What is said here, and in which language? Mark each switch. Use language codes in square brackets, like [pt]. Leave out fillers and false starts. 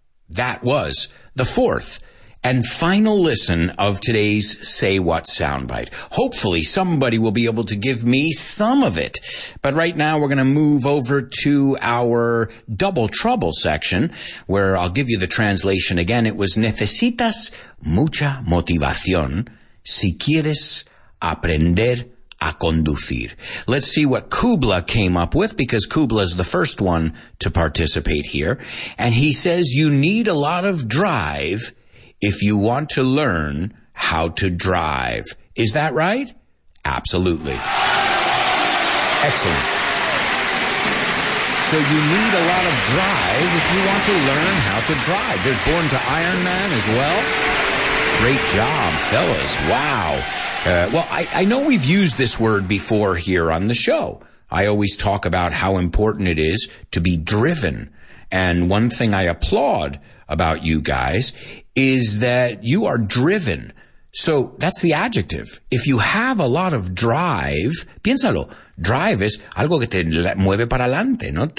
[en] That was the fourth and final listen of today's Say What soundbite. Hopefully somebody will be able to give me some of it. But right now we're going to move over to our Double Trouble section, where I'll give you the translation again. [es] It was, necesitas mucha motivación si quieres aprender a conducir. [en] Let's see what Kubla came up with, because Kubla is the first one to participate here. And he says, you need a lot of drive if you want to learn how to drive. Is that right? Absolutely. Excellent. So you need a lot of drive if you want to learn how to drive. There's Born to Iron Man as well. Great job, fellas. Wow. Well, I know we've used this word before here on the show. I always talk about how important it is to be driven. And one thing I applaud about you guys is that you are driven. So that's the adjective. If you have a lot of drive, piénsalo. [es] Drive is algo que te mueve para adelante, ¿no?